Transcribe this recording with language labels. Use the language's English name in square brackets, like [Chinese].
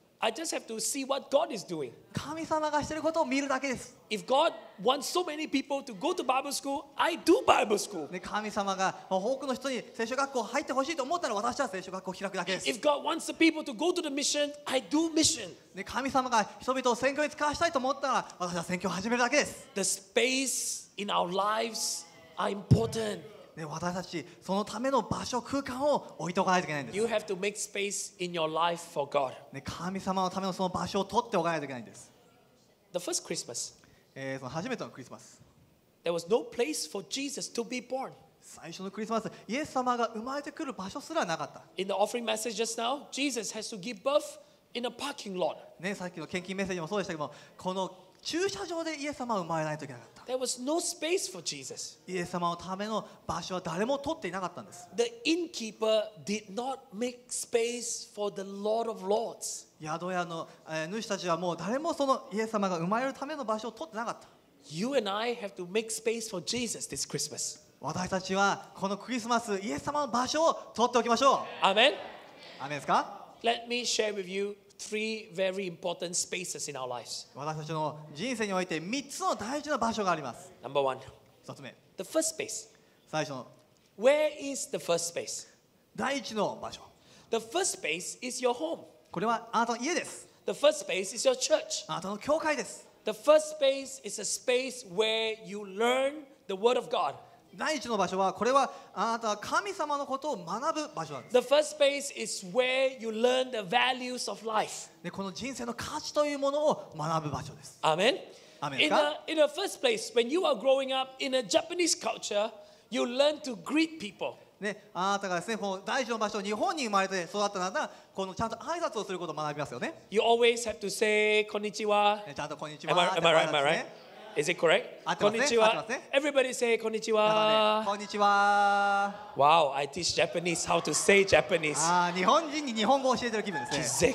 [English] I just have to see what God is doing. [Japanese] 神様がしてることを見るだけです。 [English] If God wants so many people to go to Bible school, I do Bible school. [Japanese] 神様が多くの人に聖書学校入ってほしいと思ったら私は聖書学校を開くだけです。 [English] If God wants the people to go to the mission, I do mission. [Japanese] 神様が人々を宣教に使わしたいと思ったら私は宣教を始めるだけです。 [English] The space in our lives are important. [Japanese] 私たちそのための場所空間を置いておかないといけないんです。 [English] You have to make space in your life for God. [Japanese] 神様のためのその場所を取っておかないといけないんです。 [English] The first Christmas. [Japanese] その初めてのクリスマス。 [English] There was no place for Jesus to be born. [Japanese] 最初のクリスマス、イエス様が生まれてくる場所すらなかった。 [English] In the offering message just now, Jesus has to give birth in a parking lot. [Japanese] ね、さっきの献金メッセージもそうでしたけども、この駐車場でイエス様は生まれないといけなかった。 [English] There was no space for Jesus. [Japanese] イエス様のための場所は誰も取っていなかったんです。 [English] The innkeeper did not make space for the Lord of Lords. [Japanese] 宿屋の主たちはもう誰もそのイエス様が生まれるための場所を取ってなかった。 [English] You and I have to make space for Jesus this Christmas. [Japanese] 私たちはこのクリスマスイエス様の場所を取っておきましょう。 [English] Amen. [Japanese] Amen ですか? [English] Let me share with you three very important spaces in our lives. [Japanese] 私たちの人生において三つの大事な場所があります。 [English] Number one. [Japanese] 一つ目。 [English] The first space. [Japanese] 最初の。 [English] Where is the first space? [Japanese] 第一の場所。 [English] The first space is your home. [Japanese] これはあなたの家です。 [English] The first space is your church. [Japanese] あなたの教会です。 [English] The first space is a space where you learn the word of God. [Japanese] 第一の場所はこれはあなたは神様のことを学ぶ場所なんです。 [English] The first space is where you learn the values of life. [Japanese] でこの人生の価値というものを学ぶ場所です。 [English] Amen. Amen. In the first place, when you are growing up in a Japanese culture, you learn to greet people. [Japanese] ね、あなたがですね、この大事な場所、日本に生まれて育ったなら、このちゃんと挨拶をすることを学びますよね。 [English] You always have to say こんにちは。 [Japanese] ちゃんとこんにちは。 [English] Am I right? Is it correct? こんにちは。Everybody say こんにちは。 [Japanese] こんにちは。 [English] Wow, I teach Japanese how to say Japanese. [Japanese] ああ、日本人に日本語を教えてる気分ですね。